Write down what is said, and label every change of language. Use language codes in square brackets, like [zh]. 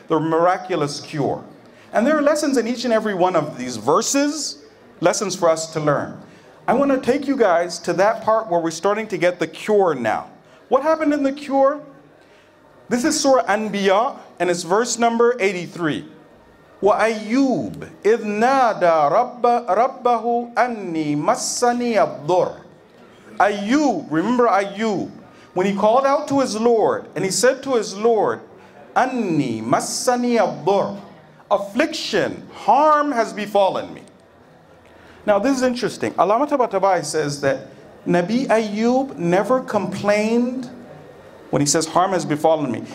[en] The miraculous cure. And there are lessons in each and every one of these verses, lessons for us to learn. I want to take you guys to that part where we're starting to get the cure now. What happened in the cure? This is Surah Anbiya, and it's verse number 83. [ar] وأيوب إذ نادى ربه أني مسني الضر. [en] Ayub, remember Ayub, when he called out to his Lord and he said to his Lord, Anni masani abdur, affliction, harm has befallen me. Now this is interesting. Allama Tabatabai says that Nabi Ayub never complained when he says harm has befallen me.